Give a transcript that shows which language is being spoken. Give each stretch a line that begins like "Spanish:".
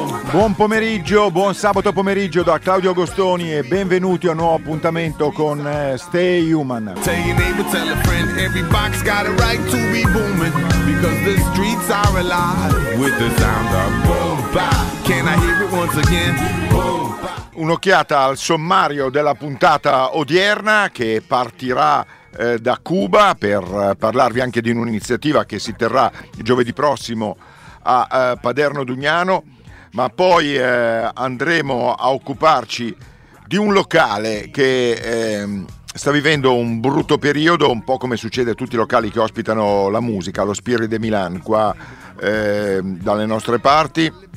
Italian: Buon pomeriggio, buon sabato pomeriggio da Claudio Agostoni e benvenuti a un nuovo appuntamento con Stay Human.
English: Tell your neighbor, tell a friend, every box got a right to be booming, because the streets are alive with the sound of boom bop. Can I hear it once again? Boom bop.
Italian: Un'occhiata al sommario della puntata odierna che partirà da Cuba per parlarvi anche di un'iniziativa che si terrà giovedì prossimo a Paderno Dugnano. Ma poi andremo a occuparci di un locale che sta vivendo un brutto periodo, un po' come succede a tutti i locali che ospitano la musica, lo Spirit de Milan, qua dalle nostre parti.